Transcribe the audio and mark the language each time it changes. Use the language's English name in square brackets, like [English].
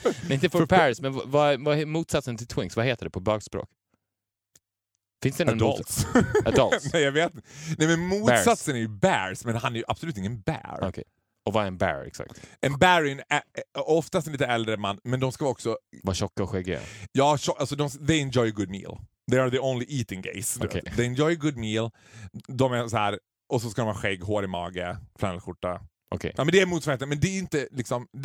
[Swedish] inte for Paris, men vad är motsatsen till twinks? Vad heter det på bögspråk? Finns det någon [English] adults? Adults. [Swedish] Nej, jag vet. Nej, men motsatsen bears. Är ju bears, men han är ju absolut ingen bear. Okej. Okay. Och vad är en bear, exakt? En bear är oftast en lite äldre man, men de ska också... Vara tjocka och skäggiga. Ja, alltså, [English] they enjoy a good meal. They are the only eating gays. Okay. They enjoy a good meal. [Swedish] De är så här, och så ska de ha skägg, hår i mage, flanellskjorta. [English] Okay. [Swedish] Ja, men det är motsvarigheten, men det är inte liksom...